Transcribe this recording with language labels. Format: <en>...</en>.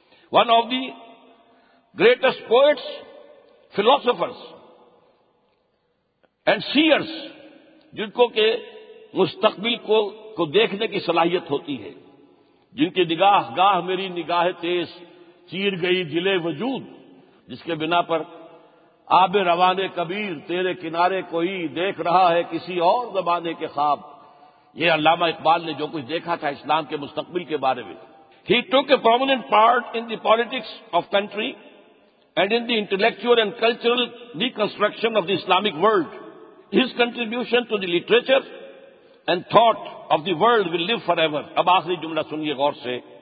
<en>One of the greatest poets, philosophers, and seers,</en> <ur>jinko ke mustaqbil ko dekhne ki salahiyat hoti hai, jinki nigah gah meri nigah tez cheer gayi dile wajood, jiske bina par آب روانِ کبیر تیرے کنارے کوئی دیکھ رہا ہے کسی اور زمانے کے خواب. یہ علامہ اقبال نے جو کچھ دیکھا تھا اسلام کے مستقبل کے بارے میں.</ur> <en>He took a prominent part in the politics of country and in the intellectual and cultural reconstruction of the Islamic world. His contribution to the literature and thought of the world will live forever.</en> <ur>اب آخری جملہ سنیے غور سے.</ur>